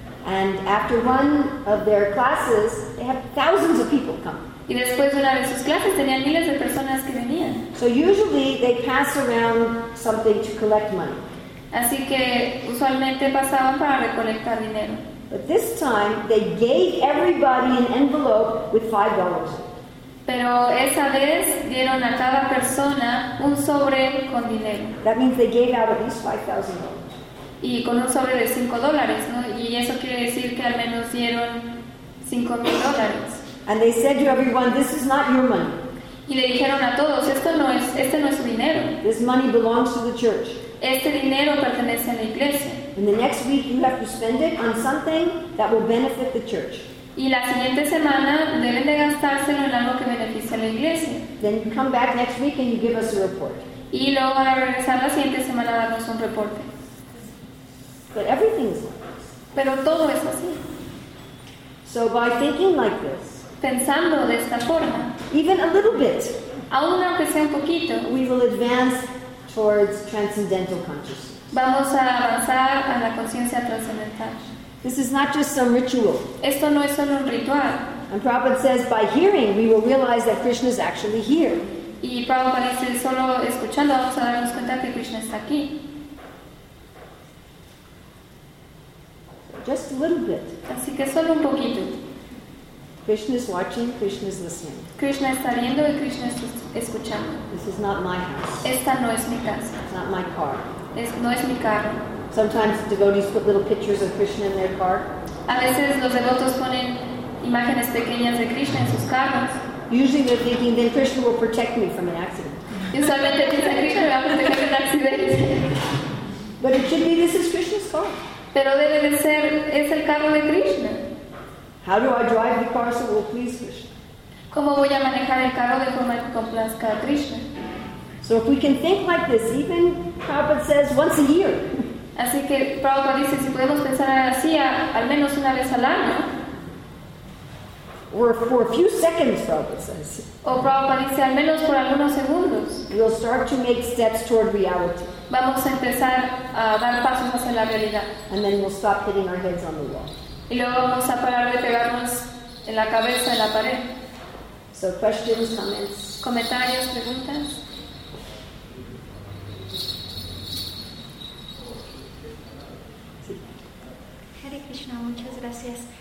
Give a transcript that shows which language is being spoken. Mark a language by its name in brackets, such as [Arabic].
[English] And after one of their classes, they have thousands of people come. [Spanish] Y después de una de sus clases tenían miles de personas que venían. [English] So usually they pass around something to collect money. [Spanish] Así que usualmente pasaban para recolectar dinero. [English] But this time they gave everybody an envelope with $5. [Spanish] Pero esa vez dieron a cada persona un sobre con dinero. [English] That means they gave out at least $5,000. [Spanish] Y con un sobre de $5, ¿no? Y eso quiere decir que al menos dieron $5,000. [English] And they said to everyone, this is not your money. [Spanish] Y le dijeron a todos, este no es su dinero. [English] This money belongs to the church. [Spanish] Este dinero pertenece a la iglesia. [English] And the next week you have to spend it on something that will benefit the church. [Spanish] Y la siguiente semana deben de gastárselo en algo que beneficie a la iglesia. [English] Then you come back next week and you give us a report. [Spanish] Y luego van a regresar la siguiente semana a darnos un reporte. [English] But everything is like this. [Spanish] Pero todo es así. [English] So by thinking like this, [Spanish] pensando de esta forma, [English] even a little bit, [Spanish] aún aunque sea un poquito, [English] we will advance towards transcendental consciousness. [Spanish] Vamos a avanzar a la conciencia transcendental. [English] This is not just some ritual. [Spanish] Esto no es solo un ritual. [English] And Prabhupada says, by hearing, we will realize that Krishna is actually here. [Spanish] Y Prabhupada dice, solo escuchando vamos a darnos cuenta que Krishna está aquí. [English] Just a little bit. [Spanish] Así que solo un poquito. [English] Krishna is watching, Krishna is listening. [Spanish] Krishna está viendo y Krishna está escuchando. [English] This is not my house. [Spanish] Esta no es mi casa. [English] It's not my car. [Spanish] No es mi carro. [English] Sometimes devotees put little pictures of Krishna in their car. [Spanish] A veces los devotos ponen imágenes pequeñas de Krishna en sus carros. [English] Usually they're thinking, then Krishna will protect me from an accident. [Spanish] Usualmente piensan, Krishna me va a proteger de un accidente. [English] But it should be, this is Krishna's car. [Spanish] Pero debe de ser, es el carro de Krishna. [English] How do I drive the car so it will please Krishna? [Spanish] ¿Cómo voy a manejar el carro de forma que complazca a Krishna? [English] So if we can think like this, even Prabhupada says once a year. [Spanish] Así que Prabhupada dice, si podemos pensar así al menos una vez al año. [English] Or for a few seconds, Prabhupada says. [Spanish] O Prabhupada dice, al menos por algunos segundos. [English] We'll start to make steps toward reality. [Spanish] Vamos a empezar a dar pasos hacia la realidad. [English] And then we'll stop hitting our heads on the wall. [Spanish] Y luego vamos a parar de pegarnos en la cabeza, en la pared. [English] So questions, comments. [Spanish] Comentarios, preguntas. Muchas gracias.